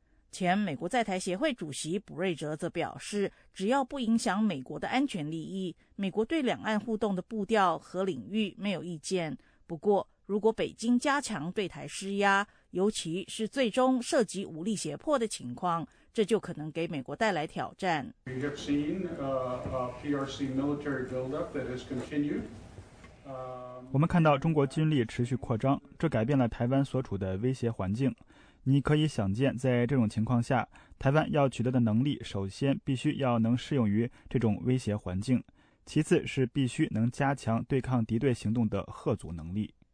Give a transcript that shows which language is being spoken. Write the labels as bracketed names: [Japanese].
[Chinese] 前美国在台协会主席卜瑞哲则表示，只要不影响美国的安全利益，美国对两岸互动的步调和领域没有意见。不过，如果北京加强对台施压，尤其是最终涉及武力胁迫的情况，这就可能给美国带来挑战。 [English] We have seen a PRC military buildup that has continued. [Chinese] 我们看到中国军力持续扩张，这改变了台湾所处的威胁环境。你可以想见，在这种情况下，台湾要取得的能力，首先必须要能适用于这种威胁环境，其次是必须能加强对抗敌对行动的吓阻能力。